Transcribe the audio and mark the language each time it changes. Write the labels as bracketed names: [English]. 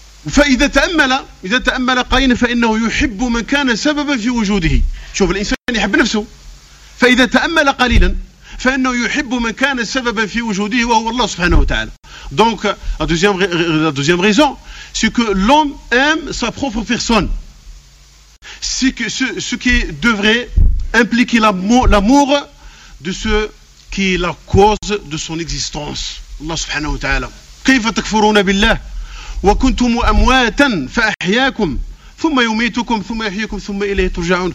[Arabic] فإذا تأمل قين فإنه يحب من كان سببا في وجوده. شوف الإنسان يحب نفسه، فإذا تأمل قليلا فإنه يحب من كان سببا في وجوده وهو الله سبحانه وتعالى. [French] Donc la deuxième raison c'est que l'homme aime sa propre personne. Ce qui devrait impliquer l'amour de ce qui est la cause de son existence. [Arabic] الله سبحانه وتعالى. كيف تكفرون بالله وكنتم امواتا فاحياكم ثم يميتكم ثم يحييكم ثم اليه ترجعون.